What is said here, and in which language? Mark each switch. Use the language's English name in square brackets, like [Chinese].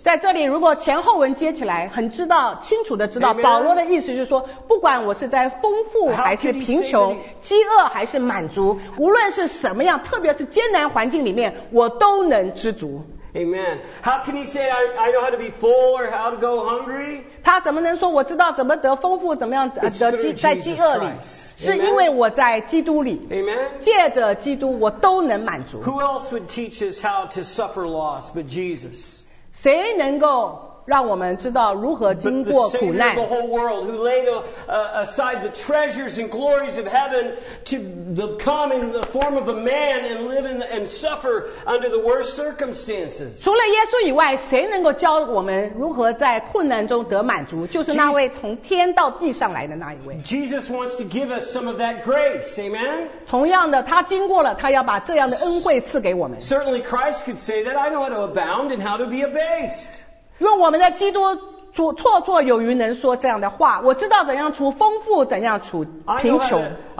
[Chinese] 在这里如果前后文接起来很知道清楚的知道、 [English] Amen? [Chinese] 保罗的意思就是说不管我是在丰富还是贫穷饥饿还是满足无论是什么样特别是艰难环境里面我都能知足。 [English] Amen. How can he say I know how to be full or how to go hungry? [Chinese] 他怎么能说我知道怎么得丰富怎么样得在饥饿里？是因为我在基督里。 [English] Amen. [Chinese] 借着基督我都能满足。 [English] Who else would teach us how to suffer loss but Jesus? [Chinese] 谁能够让我们知道如何经过苦难。 [English] But the Savior of the whole world who laid aside the treasures and glories of heaven to come in the form of a man and live and suffer under the worst circumstances. [Chinese] 除了耶稣以外谁能够教我们如何在困难中得满足就是那位从天到地上来的那一位。 [English] Jesus wants to give us some of that grace, amen? [Chinese] 同样的他经过了他要把这样的恩惠赐给我们。 [English] Certainly Christ could say that I know how to abound and how to be abased. [Chinese] 用我们的基督绰绰有余能说这样的话，我知道怎样处丰富，怎样处贫穷。